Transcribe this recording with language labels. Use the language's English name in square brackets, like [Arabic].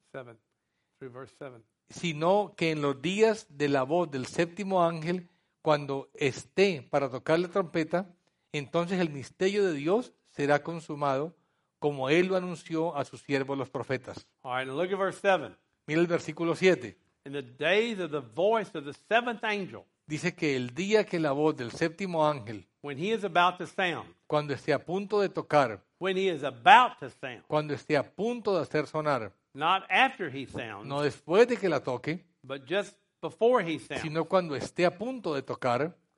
[English] 7. Verse 7. [Spanish] Sino que en los días de la voz del séptimo ángel, cuando esté para tocar la trompeta, entonces el misterio de Dios será consumado, como él lo anunció a sus siervos los profetas. [English] All right, look at verse 7. [Spanish] Mira el versículo 7. [English] In the days of the voice of the seventh angel. [Spanish] Dice que el día que la voz del séptimo ángel, [English] when he is about to sound, [Spanish] cuando esté a punto de tocar, [English] when he is about to sound, [Spanish] cuando esté a punto de hacer sonar, [English] not after he sounds, [Spanish] no después de que la toque, [English] but just before he sounds, [Spanish] sino cuando esté a punto de tocar,